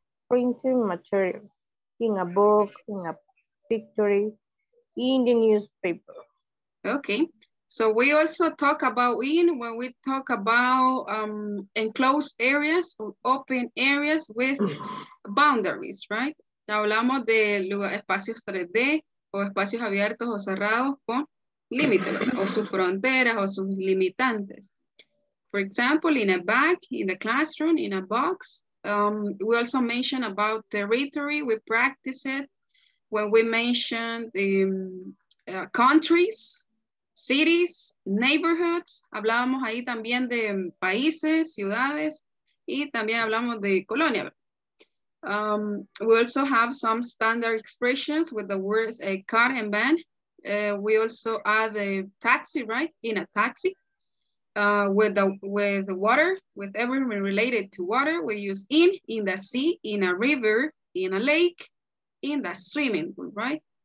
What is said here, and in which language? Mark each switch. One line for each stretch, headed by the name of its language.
English: Printed material. In a book, in a picture, in the newspaper. Okay. So we also talk about in when we talk about enclosed areas or open areas with boundaries, right?
Spanish: Hablamos de espacios 3D o espacios abiertos o cerrados con límites o sus fronteras o sus limitantes.
English: For example, in a bag, in the classroom, in a box. We also mentioned about territory. We practice it when we mentioned countries. Cities, neighborhoods,
Spanish: hablábamos ahí también de países, ciudades, y también hablamos de colonia.
English: We also have some standard expressions with the words car and van. We also add a taxi, right? In a taxi. With water, with everything related to water, we use in the sea, in a river, in a lake, in the swimming pool, right?